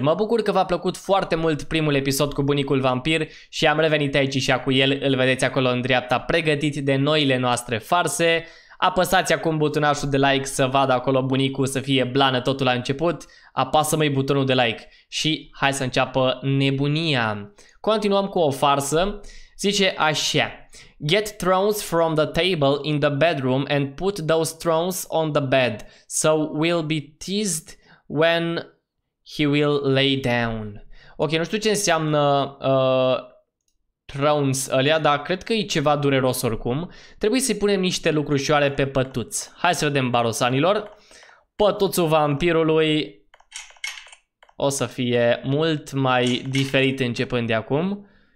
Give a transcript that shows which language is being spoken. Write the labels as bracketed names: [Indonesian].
[Romanian] Mă bucur că v-a plăcut foarte mult primul episod cu bunicul vampir și am revenit aici și cu el, îl vedeți acolo în dreapta, pregătit de noile noastre farse. Apăsați acum butonașul de like să vadă acolo bunicul, să fie blană totul la început. Apasă-mi butonul de like și hai să înceapă nebunia. Continuăm cu o farsă. Zice așa: [English] get thrones from the table in the bedroom and put those thrones on the bed, so we'll be teased when he will lay down. [Romanian] Ok, nu știu ce înseamnă thrones alea, dar cred că e ceva dureros oricum. Trebuie să-i punem niște lucrușoare pe pătuț. Hai să vedem, barosanilor. Pătuțul vampirului o să fie mult mai diferit începând de acum.